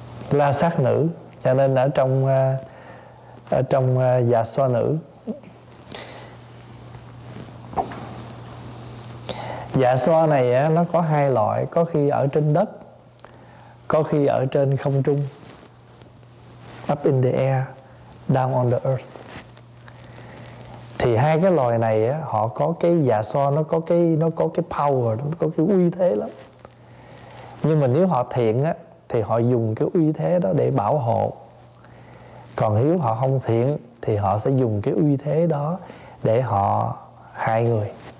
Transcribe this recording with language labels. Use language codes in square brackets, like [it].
[vi] La sát nữ, cho nên ở trong dạ xoa nữ. Dạ xoa này nó có hai loại, có khi ở trên đất, có khi ở trên không trung. [en] Up in the air, down on the earth. [vi] Thì hai cái loài này họ có cái dạ xoa, nó có cái power, nó có cái uy thế lắm. Nhưng mà nếu họ thiện á thì họ dùng cái uy thế đó để bảo hộ. Còn nếu họ không thiện thì họ sẽ dùng cái uy thế đó để họ hại người.